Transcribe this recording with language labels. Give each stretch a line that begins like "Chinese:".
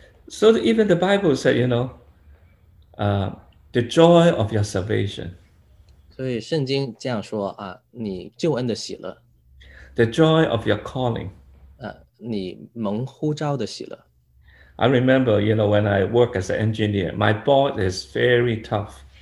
English: So even the Bible said, you know, the joy of your salvation.
Chinese: 所以圣经这样说啊，你救恩的喜乐。
English: The joy of your calling.
Chinese: 你蒙呼召的喜乐。
English: I remember, you know, when I work as an engineer, my boss is very tough.